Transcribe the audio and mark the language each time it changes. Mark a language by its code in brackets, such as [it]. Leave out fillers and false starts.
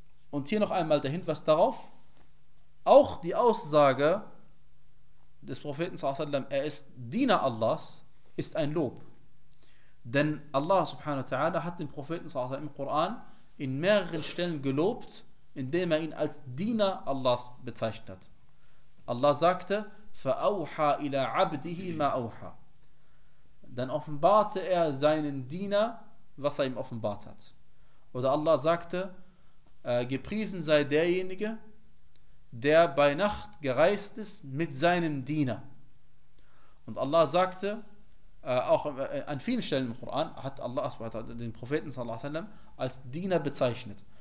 [de] Und hier noch einmal der Hinweis darauf. Auch die Aussage des Propheten sallallahu alaihi wasallam, er ist Diener Allahs, ist ein Lob. Denn Allah subhanahu wa ta'ala hat den Propheten sallallahu alaihi wasallam im Koran in mehreren Stellen gelobt, indem er ihn als Diener Allahs bezeichnet hat. Allah sagte, [ar] فَأَوْحَى إِلَىٰ عَبْدِهِ مَا أَوْحَى. [de] Dann offenbarte er seinen Diener, was er ihm offenbart hat. Oder Allah sagte, gepriesen sei derjenige, der bei Nacht gereist ist mit seinem Diener. Und Allah sagte, auch an vielen Stellen im Koran hat Allah den Propheten sallallahu alaihi wasallam als Diener bezeichnet.